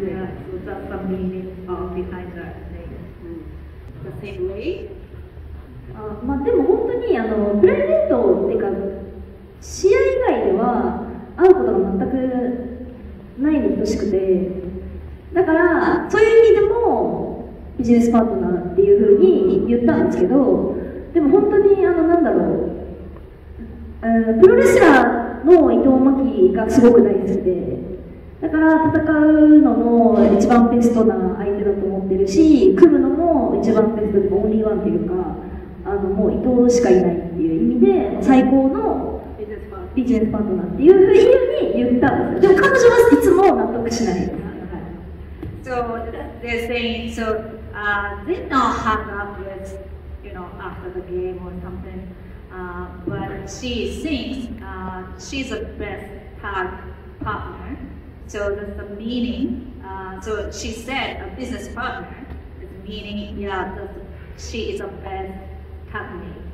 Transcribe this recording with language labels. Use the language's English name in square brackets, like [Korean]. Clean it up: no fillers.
[English] Yeah, so that's the meaning behind the name. The same way. [Japanese] まあでも本当にあのプライベートっていうか試合以外では会うことが全くないに等しくて、だからそういう意味でもビジネスパートナーっていうふうに言ったんですけど、でも本当にあのなんだろう。プロレスラーの伊藤真希がすごく大好きで、だから戦うのも一番ベストな相手だと思ってるし、組むのも一番ベストでオンリーワンっていうか、あのもう伊藤しかいないっていう意味で最高のビジネスパートナーっていう理由に言ったんです。でも彼女はいつも納得しない。 [English] So they're saying, so they don't hang up with, you know, after the game or somethingbut she thinks she's the best tag partner. So that's the meaning. So she said a business partner is meaning, yeah, that she is the best tag mate.